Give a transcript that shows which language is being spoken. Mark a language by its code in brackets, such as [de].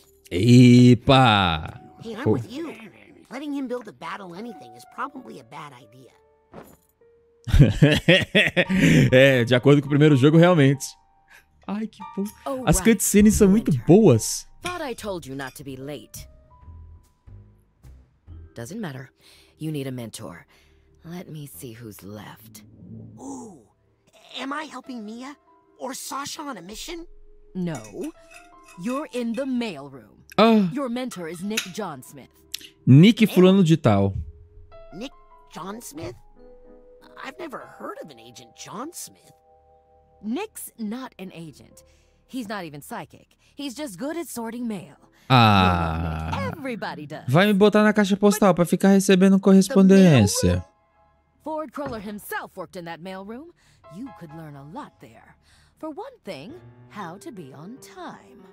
[en] Epa! Hey, I'm with you. Letting him build a battle anything is probably a bad idea. [pt] É, de acordo com o primeiro jogo, realmente. Ai, que bom. Oh, as right. Cutscenes são muito boas. [en] Thought I told you not to be late. Doesn't matter. You need a mentor. Let me see who's left. Ooh. Am I helping Mia or Sasha on a mission? No. You're in the mailroom. Your mentor is Nick John Smith. [pt] Nick fulano de tal. [en] Nick John Smith? I've never heard of an agent John Smith. Nick's not an agent. He's not even psychic. He's just good at sorting mail. Ah. Everybody does. [pt] Vai me botar na caixa postal para ficar recebendo correspondência. [en] Ford Crawler himself worked in that mailroom. You could learn a lot there. For one thing, how to be on time.